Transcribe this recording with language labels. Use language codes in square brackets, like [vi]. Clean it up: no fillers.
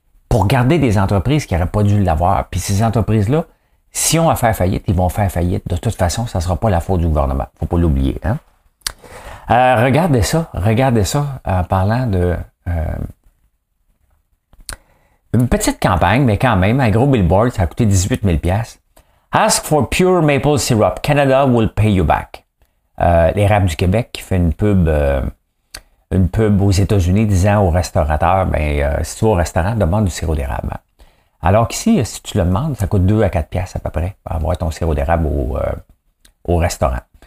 [fr] pour garder des entreprises qui n'auraient pas dû l'avoir. Puis ces entreprises-là, si on va faire faillite, ils vont faire faillite. De toute façon, ça ne sera pas la faute du gouvernement. Faut pas l'oublier. Hein? Regardez ça en parlant de une petite campagne, mais quand même, un gros billboard, ça a coûté 18 000$. [en] Ask for pure maple syrup. Canada will pay you back. [fr] L'érable du Québec qui fait une pub aux États-Unis disant aux restaurateurs, si tu vas au restaurant, demande du sirop d'érable. Alors qu'ici, si tu le demandes, ça coûte 2 à 4 piastres à peu près pour avoir ton sirop d'érable au restaurant.